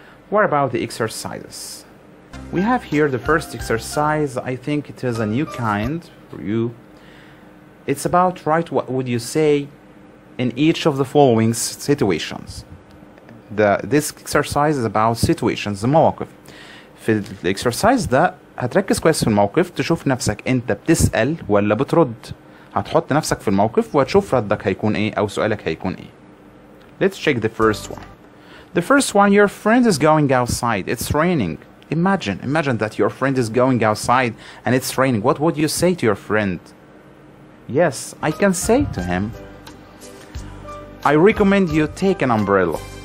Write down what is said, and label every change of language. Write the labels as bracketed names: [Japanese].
[English] What about the exercises? We have here the first exercise. I think it is a new kind for you. It's about write what would you say in each of the following situations. This exercise is about situations, the مواقف. [Arabic] في الاكسرسايز ده هتركز كويس في الموقف تشوف نفسك انت بتسأل ولا بترد. هتحط نفسك في الموقف وتشوف ردك هيكون ايه او سؤالك هيكون ايه. [English] Let's check the first one. The first one, your friend is going outside. It's raining. Imagine that your friend is going outside and it's raining. What would you say to your friend? Yes, I can say to him, I recommend you take an umbrella.